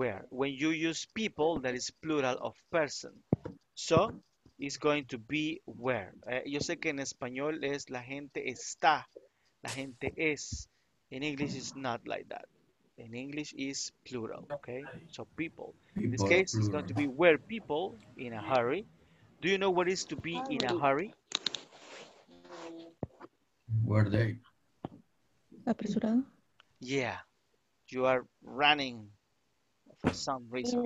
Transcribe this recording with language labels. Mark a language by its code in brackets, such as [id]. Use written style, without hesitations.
[en] When you use people, that is plural of person. So, it's going to be where. [es] Yo sé que en español es la gente está, la gente es. [en] In English, it's not like that. In English, it's plural, okay? So, people. In this case, it's going to be where people in a hurry. Do you know what is to be in a hurry? Where are they? [es] Apresurado. [en] Yeah. You are running for some reason.